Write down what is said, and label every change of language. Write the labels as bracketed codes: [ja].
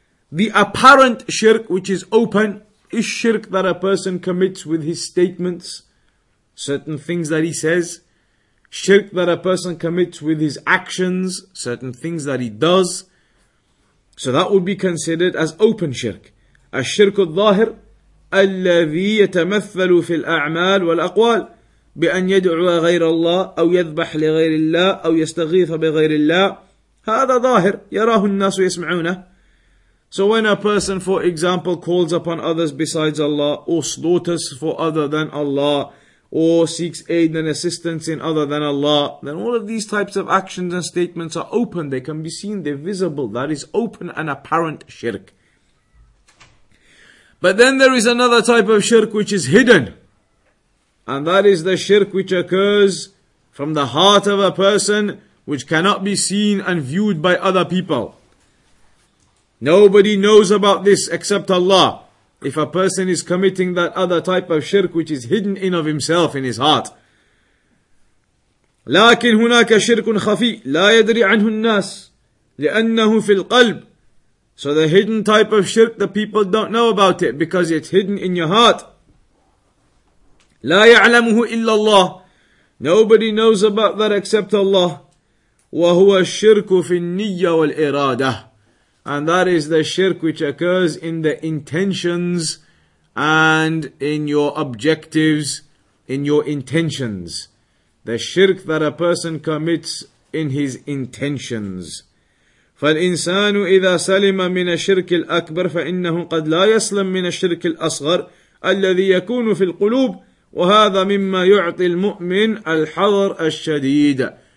[en] The apparent shirk, which is open, is shirk that a person commits with his statements, certain things that he says, shirk that a person commits with his actions, certain things that he does. So that would be considered as open shirk. [ar] الشرك الظاهر الذي يتمثل في الأعمال والأقوال بأن يدعو غير الله أو يذبح لغير الله أو يستغيث بغير الله. هذا ظاهر يراه الناس ويسمعونه. [en] So when a person, for example, calls upon others besides Allah, or slaughters for other than Allah, or seeks aid and assistance in other than Allah, then all of these types of actions and statements are open, they can be seen, they're visible. That is open and apparent shirk. But then there is another type of shirk which is hidden. And that is the shirk which occurs from the heart of a person, which cannot be seen and viewed by other people. Nobody knows about this except Allah. If a person is committing that other type of shirk which is hidden in of himself, in his heart. [ar] لكن هناك شرك خفي لا يدري عنه الناس لأنه في القلب. [en] So the hidden type of shirk, the people don't know about it because it's hidden in your heart. [ar] لا يعلمه إلا الله. [en] Nobody knows about that except Allah. [ar] وهو الشرك في النية والإرادة. [en] And that is the shirk which occurs in the intentions and in your objectives, in your intentions. The shirk that a person commits in his intentions. [ar] فَالْإِنسَانُ إِذَا سَلِمَ مِنَ الشِّرْكِ الْأَكْبَرِ فَإِنَّهُ قَدْ لَا يَسْلَمْ مِنَ الشِّرْكِ الْأَصْغَرِ الَّذِي يَكُونُ فِي الْقُلُوبِ وَهَذَا مِمَّا يُعْطِي الْمُؤْمِنِ الْحَضَرَ الشَّدِيدَ.